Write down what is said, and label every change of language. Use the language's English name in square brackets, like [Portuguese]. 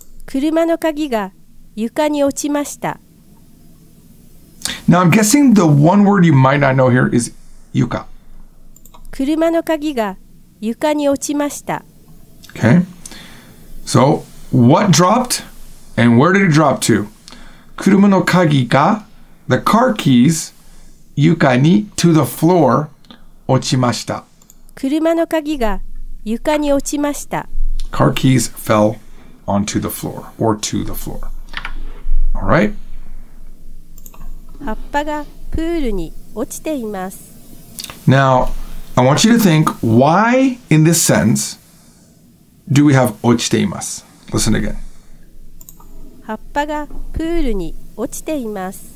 [Japanese] 車の鍵が床に落ちました。 [English] Now, I'm guessing the one word you might not know here is 床。 [Japanese] 車の鍵が床に落ちました。 [English] Okay. So, what dropped and where did it drop to? 車の鍵が, the car keys, [Japanese] 床に [English] to the floor [Japanese] 落ちました。車の鍵が床に落ちました。 [English] Car keys fell onto the floor or to the floor. All right. [Japanese] 葉っぱがプールに落ちています。 [English] Now, I want you to think why in this sense do we have 落ちています? Listen again. [Japanese] 葉っぱがプールに落ちています。